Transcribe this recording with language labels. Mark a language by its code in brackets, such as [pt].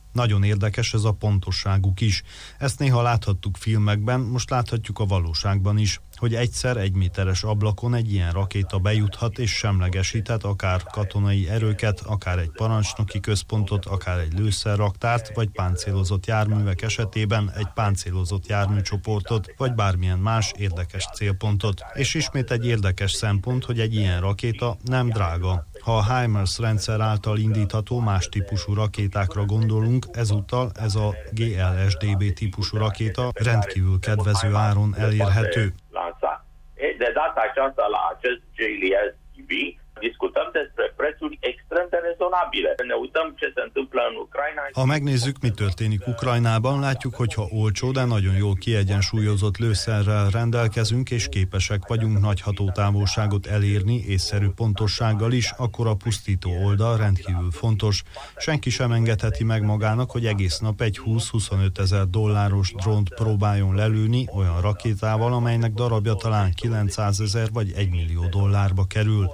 [hu] Nagyon érdekes ez a pontosságuk is. Ezt néha láthattuk filmekben, most láthatjuk a valóságban is, hogy egyszer egy méteres ablakon egy ilyen rakéta bejuthat és semlegesíthet akár katonai erőket, akár egy parancsnoki központot, akár egy lőszerraktárt, vagy páncélozott járművek esetében egy páncélozott járműcsoportot, vagy bármilyen más érdekes célpontot. És ismét egy érdekes szempont, hogy egy ilyen rakéta nem drága. Ha a HIMARS rendszer által indítható más típusú rakétákra gondolunk, ezúttal ez a GLSDB típusú rakéta rendkívül kedvező áron elérhető. [ro] De data aceasta la acest GLSDB discutăm despre prețuri extrem de rezonabile. Ne uităm ce se întâmplă în Ucraina. [hu] Ha megnézzük, mi történik Ukrajnában, látjuk, hogyha olcsó, de nagyon jól kiegyensúlyozott lőszerrel rendelkezünk, és képesek vagyunk nagy hatótávolságot elérni észszerű pontossággal is, akkor a pusztító oldal rendkívül fontos. Senki sem engedheti meg magának, hogy egész nap egy 20-25 ezer dolláros drónt próbáljon lelőni olyan rakétával, amelynek darabja talán 900 ezer vagy 1 millió dollárba kerül.